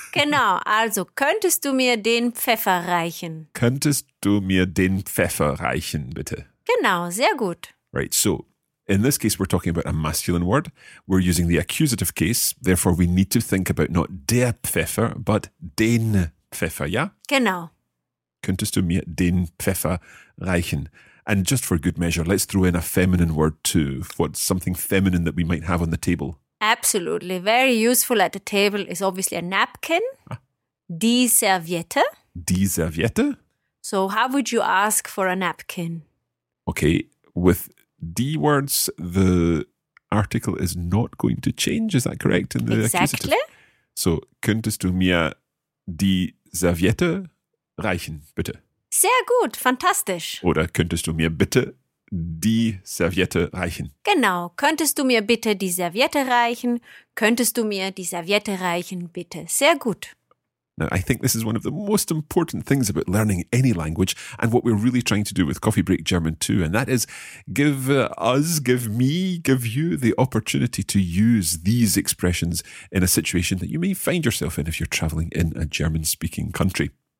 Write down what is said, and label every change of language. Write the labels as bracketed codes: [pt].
[de] Genau, also könntest du mir den Pfeffer reichen? Könntest du mir den Pfeffer reichen, bitte? Genau, sehr gut. [en] Right, so in this case we're talking about a masculine word. We're using the accusative case, therefore we need to think about not der Pfeffer, but den Pfeffer, ja? [de] Genau. Könntest du mir den Pfeffer reichen? [en] And just for good measure, let's throw in a feminine word too. What's something feminine that we might have on the table? Absolutely. Very useful at the table is obviously a napkin. [de] Ah. Die Serviette. Die Serviette. [en] So how would you ask for a napkin? Okay. With die words, the article is not going to change. Is that correct? In the exactly. Accusative? [de] So könntest du mir die Serviette reichen, bitte? Sehr gut, fantastisch. Oder könntest du mir bitte die Serviette reichen? Genau, könntest du mir bitte die Serviette reichen? Könntest du mir die Serviette reichen, bitte? Sehr gut. [en] Now, I think this is one of the most important things about learning any language and what we're really trying to do with Coffee Break German too, and that is give us, give me, give you the opportunity to use these expressions in a situation that you may find yourself in if you're traveling in a German-speaking country.